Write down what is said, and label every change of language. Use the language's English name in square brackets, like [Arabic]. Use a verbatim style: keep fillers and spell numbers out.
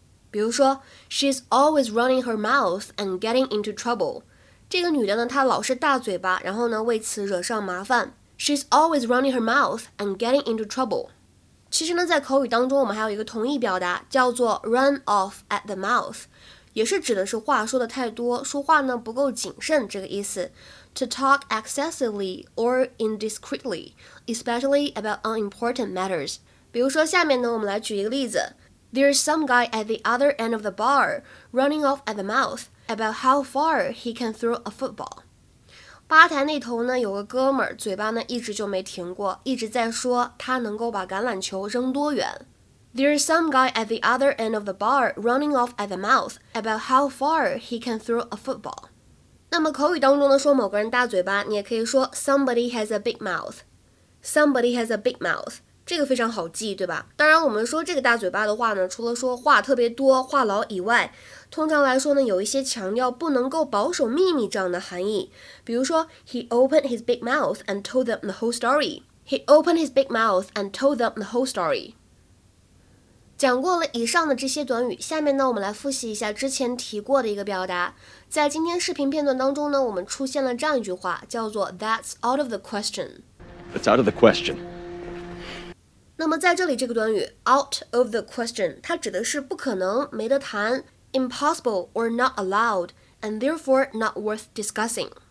[Chinese] 比如说 [English] she's always running her mouth and getting into trouble。 [Chinese] 这个女的呢，她老是大嘴巴，然后呢，为此惹上麻烦。 [English] She's always running her mouth and getting into trouble。 [Chinese] 其实呢，在口语当中，我们还有一个同义表达，叫做 [English] run off at the mouth， [Chinese] 也是指的是话说的太多，说话呢不够谨慎这个意思。 [English] To talk excessively or indiscreetly, especially about unimportant matters。 [Chinese] 比如说，下面呢，我们来举一个例子。 [English] There's some guy at the other end of the bar running off at the mouth about how far he can throw a football. [Chinese] 吧台那头呢有个哥们儿，嘴巴呢一直就没停过，一直在说他能够把橄榄球扔多远。 [English] There's some guy at the other end of the bar running off at the mouth about how far he can throw a football. [Chinese] 那么口语当中呢说某个人大嘴巴，你也可以说 [English] somebody has a big mouth. Somebody has a big mouth. [Chinese] 这个非常好记，对吧？当然我们说这个大嘴巴的话呢，除了说话特别多，话痨以外，通常来说呢有一些强调不能够保守秘密这样的含义。比如说 [English] He opened his big mouth and told them the whole story He opened his big mouth and told them the whole story [Chinese] 讲过了以上的这些短语，下面呢我们来复习一下之前提过的一个表达。在今天视频片段当中呢，我们出现了这样一句话，叫做 [English] That's out of the question。 That's out of the question。 [Chinese] 那么在这里这个短语 [English] out of the question， [Chinese] 它指的是不可能、没得谈 [English] impossible or not allowed and therefore not worth discussing。